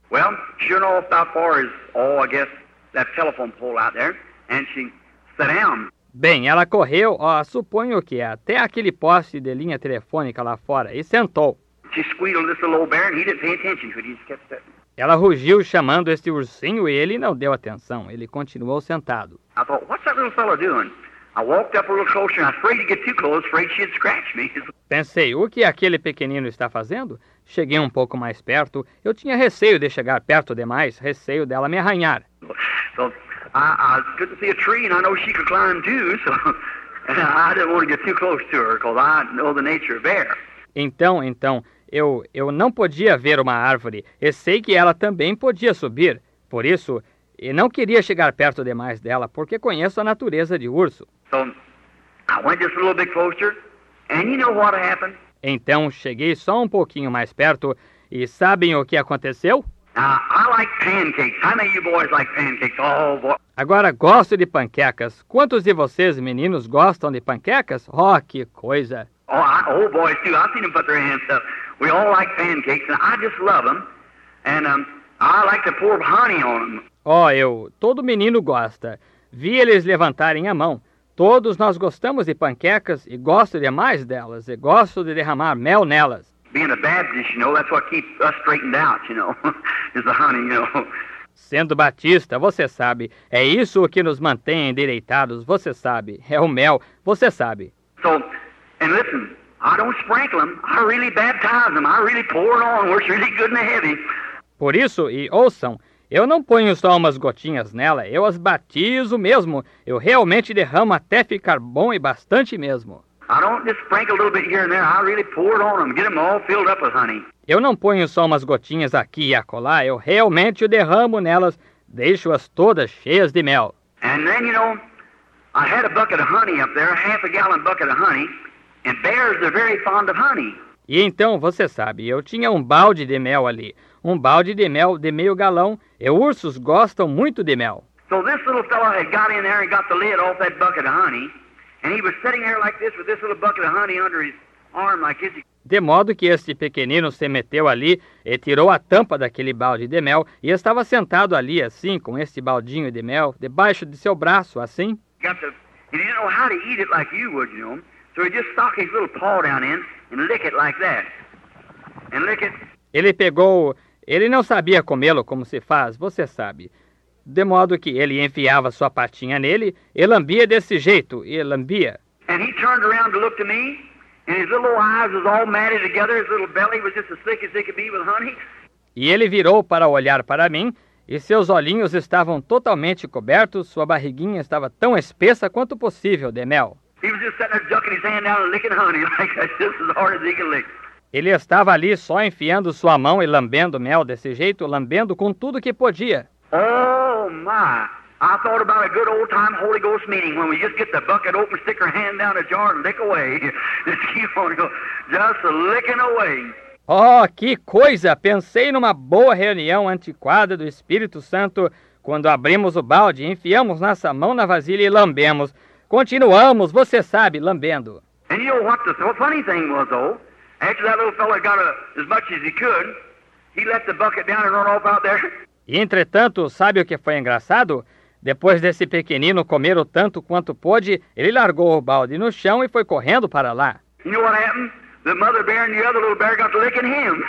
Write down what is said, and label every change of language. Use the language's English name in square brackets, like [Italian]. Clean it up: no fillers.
[English] Well, sure enough, how far is, oh, I guess, that telephone pole out there. And she sat down. [Portuguese] Bem, ela correu, ó, suponho que é, até aquele poste de linha telefônica lá fora, e sentou. [English] She squealed this little old bear and he didn't pay attention to it. He just kept sitting. [Portuguese] Ela rugiu chamando este ursinho e ele não deu atenção. Ele continuou sentado. [English] I thought, what's that little fellow doing? I walked up a little closer and I was afraid to get too close, afraid she'd scratch me. [Portuguese] Pensei, o que aquele pequenino está fazendo? Cheguei um pouco mais perto. Eu tinha receio de chegar perto demais, receio dela me arranhar. [English] So, I couldn't see a tree and I know she could climb too, so I didn't want to get too close to her because I know the nature of bear. [Portuguese] Então, eu não podia ver uma árvore, e sei que ela também podia subir. Por isso, e não queria chegar perto demais dela, porque conheço a natureza de urso. [English] So, I went just a little bit closer, and you know what happened? [Portuguese] Então, cheguei só um pouquinho mais perto, e sabem o que aconteceu? [English] I like pancakes. How many of you boys like pancakes? Oh, boy. [Portuguese] Agora, gosto de panquecas. Quantos de vocês, meninos, gostam de panquecas? Oh, que coisa! [English] Oh, boys, too. I've seen them put their hands up. We all like pancakes, and I just love them. And I like to pour honey on them. [Portuguese] Oh, todo menino gosta. Vi eles levantarem a mão. Todos nós gostamos de panquecas e gosto demais delas. E gosto de derramar mel nelas. [English] Being a Baptist, you know, that's what keeps us straightened out, you know, is the honey, you know. [Portuguese] Sendo batista, você sabe, é isso o que nos mantém endireitados, você sabe. É o mel, você sabe. [English] So, and listen, I don't sprinkle them, I really baptize them, I really pour it on where it's really good and heavy. [Portuguese] Por isso, e ouçam, eu não ponho só umas gotinhas nela, eu as batizo mesmo. Eu realmente derramo até ficar bom e bastante mesmo. [English] I don't just sprinkle a little bit here and there, I really pour it on them, get them all filled up with honey. [Portuguese] Eu não ponho só umas gotinhas aqui e acolá, eu realmente o derramo nelas, deixo-as todas cheias de mel. [English] And then, you know, I had a bucket of honey up there, a half a gallon bucket of honey. And bears are very fond of honey. [Portuguese] E então, você sabe, eu tinha um balde de mel ali. Um balde de mel de meio galão. E ursos gostam muito de mel. [English] So this little fellow had got in there and got the lid off that bucket of honey. And he was sitting there like this with this little bucket of honey under his arm like this. [Portuguese] De modo que este pequenino se meteu ali e tirou a tampa daquele balde de mel. E estava sentado ali assim, com este baldinho de mel, debaixo de seu braço, assim. [English] He didn't know how to eat it like you would, you know. So he just stuck his little paw down in and lick it like that. And lick it. [Portuguese] Ele pegou. Ele não sabia comê-lo como se faz, você sabe. De modo que ele enfiava sua patinha nele e lambia desse jeito, e lambia. [English] And he turned around to look to me, and his little eyes was all matted together, his little belly was just as thick as it could be with honey. [Portuguese] E ele virou para olhar para mim, e seus olhinhos estavam totalmente cobertos, sua barriguinha estava tão espessa quanto possível de mel. [English] He was just sitting there ducking his hand down and licking honey like that, just as hard as he could lick. [Portuguese] Ele estava ali só enfiando sua mão e lambendo mel desse jeito, lambendo com tudo que podia. [English] Oh my, I thought about a good old time Holy Ghost meeting when we just get the bucket open, stick our hand down a jar and lick away. Just keep on going, just licking away. [Portuguese] Oh, que coisa! Pensei numa boa reunião antiquada do Espírito Santo quando abrimos o balde, enfiamos nossa mão na vasilha e lambemos. Continuamos, você sabe, lambendo. [English] And you know what the funny thing was, though? After that little fella got as much as he could, he let the bucket down and run off out there. [Portuguese] E entretanto, sabe o que foi engraçado? Depois desse pequenino comer o tanto quanto pôde, ele largou o balde no chão e foi correndo para lá. [English] You know what happened? The mother bear and the other little bear got to licking him.